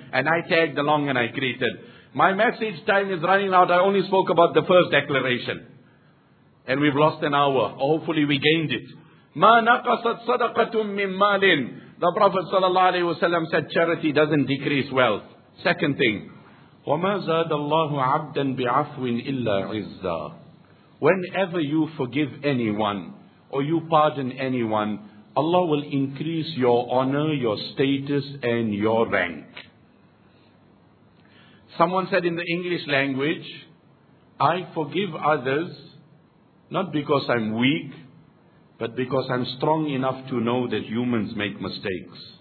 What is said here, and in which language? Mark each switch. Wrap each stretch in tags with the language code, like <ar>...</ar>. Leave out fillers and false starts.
<en>And I tagged along and I greeted. My message time is running out. I only spoke about the first declaration. And we've lost an hour. Hopefully we gained it.</en> <ar>مَا نَقَصَتْ صَدَقَةٌ مِّن مَالٍ.</ar> <en>The Prophet sallallahu alaihi wasallam said, charity doesn't decrease wealth. Second thing,</en> <ar>وَمَا زَادَ اللَّهُ عَبْدًا بِعَفْوٍ إِلَّا عِزَّا.</ar> <en>Whenever you forgive anyone, or you pardon anyone, Allah will increase your honor, your status, and your rank. Someone said in the English language, I forgive others, not because I'm weak, but because I'm strong enough to know that humans make mistakes.</en>